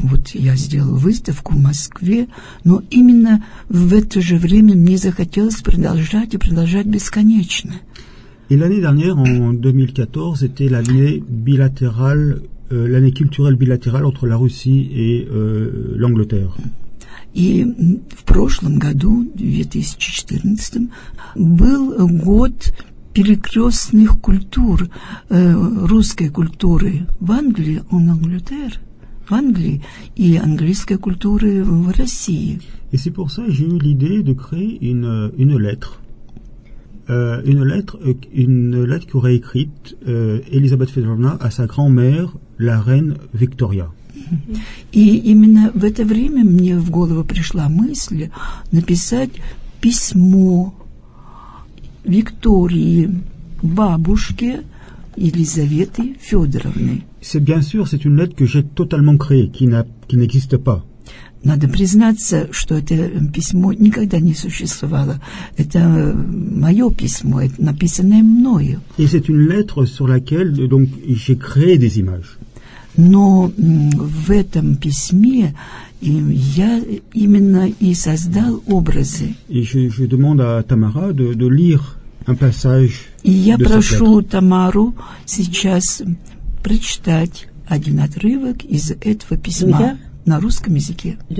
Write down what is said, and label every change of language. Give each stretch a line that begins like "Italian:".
Russian: Вот я сделал выставку в Москве, но именно в это же время мне захотелось продолжать и продолжать бесконечно.
French: Et l'année dernière, en 2014, était l'année bilatérale, l'année culturelle bilatérale entre la Russie et l'Angleterre.
Russian: И в прошлом году, в 2014, был год перекрестных культур, русской культуры в Англии,
French: en Angleterre,
Russian: в Англии, и английской культуры в России.
French: Et c'est pour ça que j'ai eu l'idée de créer une lettre. Une lettre qui aurait écrite Elisabeth Fedorovna à sa grand-mère, la reine Victoria.
Russian: И именно в это время мне в голову пришла мысль написать письмо Виктории бабушке Елизаветы Федоровны.
French: C'est bien sûr, c'est une lettre que j'ai totalement créée, qui n'existe pas.
Russian: Надо признаться, что это письмо никогда не существовало. Это мое письмо, это написанное мною.
French: Et c'est une lettre sur laquelle donc j'ai créé des images.
Russian: Но в этом письме я именно и создал образы.
French: Et je demande à Tamara de lire un passage.
Russian: И я прошу Тамару сейчас прочитать один отрывок из этого письма на русском языке.